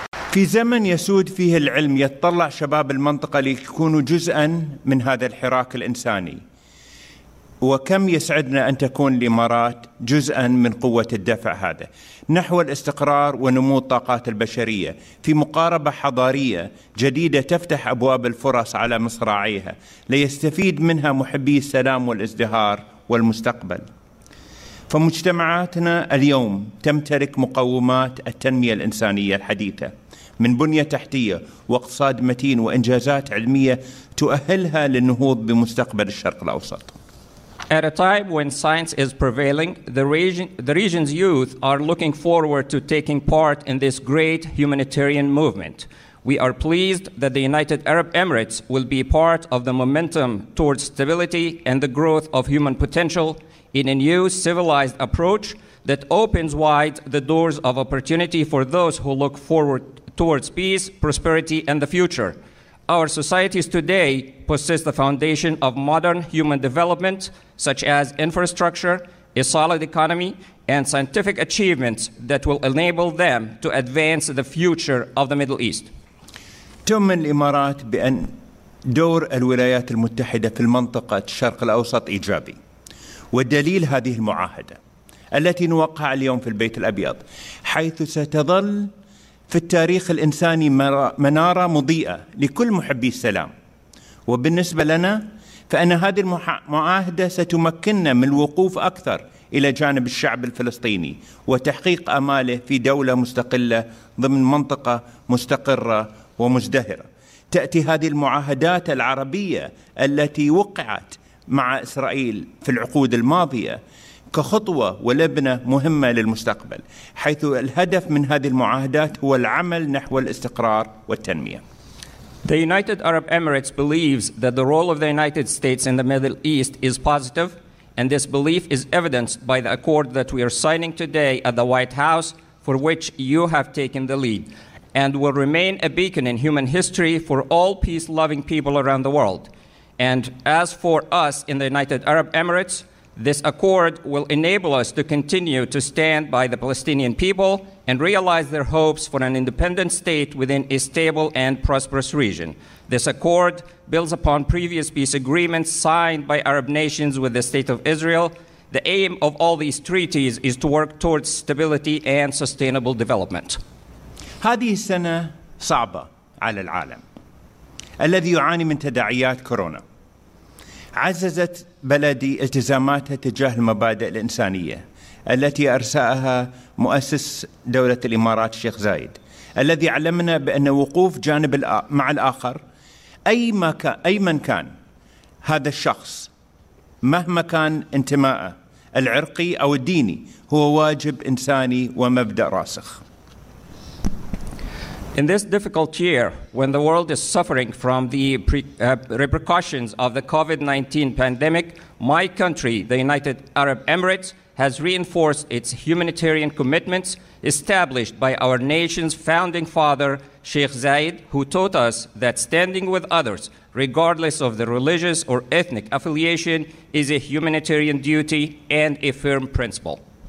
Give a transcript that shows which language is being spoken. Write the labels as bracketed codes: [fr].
[ar] في زمن يسود فيه العلم يتطلع شباب المنطقة ليكونوا جزءاً من هذا الحراك الإنساني، وكم يسعدنا أن تكون الإمارات جزءاً من قوة الدفع هذا نحو الاستقرار ونمو الطاقات البشرية في مقاربة حضارية جديدة تفتح أبواب الفرص على مصراعيها ليستفيد منها محبي السلام والازدهار والمستقبل. فمجتمعاتنا اليوم تمتلك مقومات التنمية الإنسانية الحديثة من بنية تحتية واقتصاد متين وإنجازات علمية تؤهلها للنهوض بمستقبل الشرق الأوسط. [en] At a time when science is prevailing, the region's youth are looking forward to taking part in this great humanitarian movement. We are pleased that the United Arab Emirates will be part of the momentum towards stability and the growth of human potential in a new civilized approach that opens wide the doors of opportunity for those who look forward towards peace, prosperity, and the future. Our societies today possess the foundation of modern human development, such as infrastructure, a solid economy, and scientific achievements that will enable them to advance the future of the Middle East. [ar] تؤمن الإمارات بأن دور الولايات المتحدة في المنطقة الشرق الأوسط إيجابي، والدليل هذه المعاهدة التي نوقع اليوم في البيت الأبيض، حيث ستظل في التاريخ الإنساني منارة مضيئة لكل محبي السلام. وبالنسبة لنا فأن هذه المعاهدة ستمكننا من الوقوف أكثر إلى جانب الشعب الفلسطيني وتحقيق أماله في دولة مستقلة ضمن منطقة مستقرة ومزدهرة. تأتي هذه المعاهدات العربية التي وقعت مع إسرائيل في العقود الماضية كخطوة ولبنة مهمة للمستقبل، حيث الهدف من هذه المعاهدات هو العمل نحو الاستقرار والتنمية. [en] The United Arab Emirates believes that the role of the United States in the Middle East is positive, and this belief is evidenced by the accord that we are signing today at the White House, for which you have taken the lead, and will remain a beacon in human history for all peace-loving people around the world. And as for us in the United Arab Emirates, this accord will enable us to continue to stand by the Palestinian people and realize their hopes for an independent state within a stable and prosperous region. This accord builds upon previous peace agreements signed by Arab nations with the State of Israel. The aim of all these treaties is to work towards stability and sustainable development. [ar] هذه السنة صعبة على العالم الذي يعاني من تداعيات كورونا. عززت بلدي التزاماتها تجاه المبادئ الإنسانية التي أرساها مؤسس دولة الإمارات الشيخ زايد، الذي علمنا بأن وقوف جانب مع الآخر أي من كان هذا الشخص، مهما كان انتماءه العرقي أو الديني، هو واجب إنساني ومبدأ راسخ. [en] In this difficult year, when the world is suffering from the repercussions of the COVID-19 pandemic, my country, the United Arab Emirates, has reinforced its humanitarian commitments established by our nation's founding father, Sheikh Zayed, who taught us that standing with others, regardless of the religious or ethnic affiliation, is a humanitarian duty and a firm principle.